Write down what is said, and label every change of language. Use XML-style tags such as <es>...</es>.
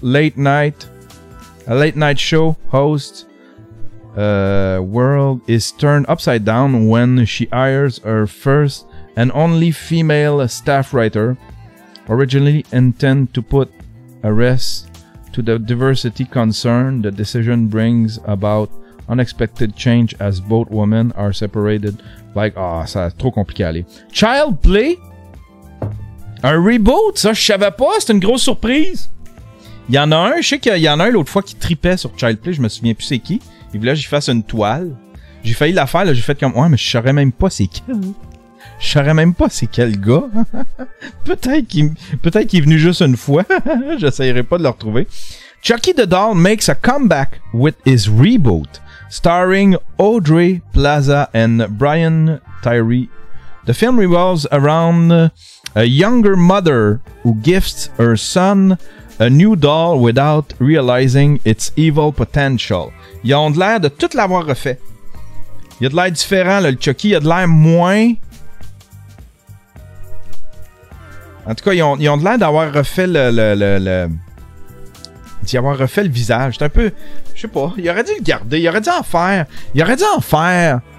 <en>A late night show host world is turned upside down when she hires her first and only female staff writer. Originally intend to put a rest to the diversity concern, the decision brings about Unexpected change as both women are separated.</en> <fr>Like, ah, oh, ça a trop compliqué à aller. Child Play? Un reboot? Ça, je savais pas. C'est une grosse surprise. Il y en a un. Je sais qu'il y en a un l'autre fois qui tripait sur Child Play. Je me souviens plus c'est qui. Il voulait que j'y fasse une toile. J'ai failli la faire. Là, j'ai fait comme, ouais, mais je saurais même pas c'est qui. Je saurais même pas c'est quel gars. Peut-être qu'il est venu juste une fois. J'essayerai pas de le retrouver.</fr> <en>Chucky the Doll makes a comeback with his reboot, starring Audrey Plaza and Brian Tyree. The film revolves around a younger mother who gifts her son a new doll without realizing its evil potential.</en> <fr>Ils ont de l'air de tout l'avoir refait. Il a de l'air différent, là, le Chucky. Il a de l'air moins... En tout cas, ils ont de l'air d'avoir refait le d'y avoir refait le visage. C'est un peu... Je sais pas. Il aurait dû le garder. Il aurait dû en faire.</fr>